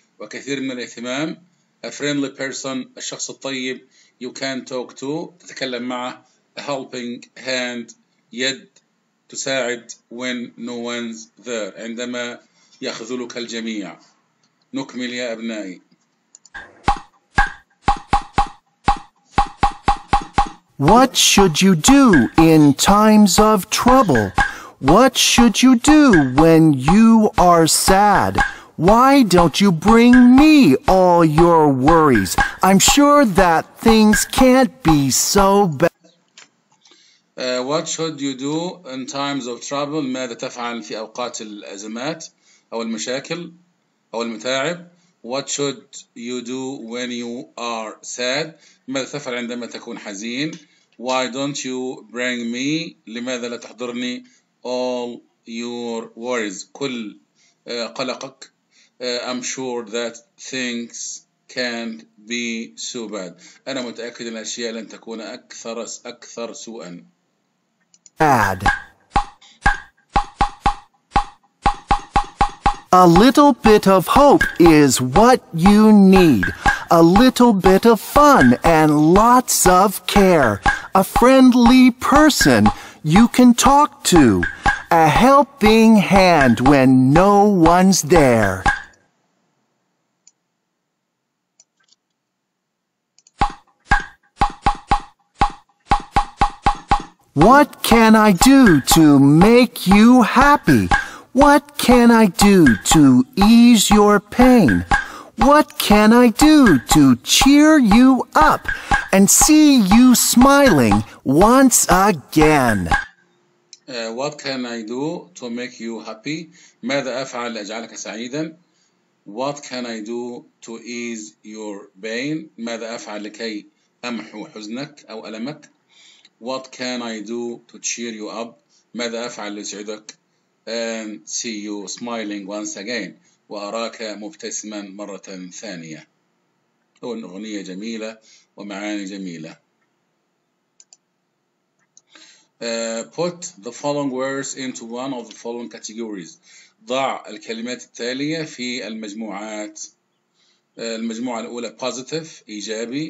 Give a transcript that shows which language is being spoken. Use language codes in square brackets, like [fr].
[ar] وكثير من الاهتمام [en] A friendly person [ar] الشخص الطيب [en] You can talk to [ar] تتكلم معه [en] A helping hand [ar] يد تساعد [en] When no one's there [ar] عندما يخذلك الجميع نكمل يا أبنائي [en] What should you do in times of trouble? What should you do when you are sad? Why don't you bring me all your worries? I'm sure that things can't be so bad. What should you do in times of trouble? [ar] ماذا تفعل في أوقات الأزمات أو المشاكل أو المتاعب? [en] What should you do when you are sad? [ar] ماذا تفعل عندما تكون حزين? [en] Why don't you bring me? [ar] لماذا لا تحضرني [en] all your worries? [ar] كل قلقك. [en] I'm sure that things can't be so bad. [ar] أنا متأكد أن الأشياء لن تكون أكثر سوءا. [en] Bad. A little bit of hope is what you need. A little bit of fun and lots of care. A friendly person you can talk to. A helping hand when no one's there. What can I do to make you happy? What can I do to ease your pain? What can I do to cheer you up and see you smiling once again? What can I do to make you happy? [ar] ماذا أفعل لأجعلك سعيدا? [en] What can I do to ease your pain? [ar] ماذا أفعل لكي أمحو حزنك أو ألمك? [en] What can I do to cheer you up? [ar] ماذا أفعل لأسعدك? [en] And see you smiling once again. [ar] وأراك مبتسما مرة ثانية. هو أغنية جميلة ومعاني جميلة. [en] Put the following words into one of the following categories. [ar] ضع الكلمات التالية في المجموعات. المجموعة الأولى positive إيجابي.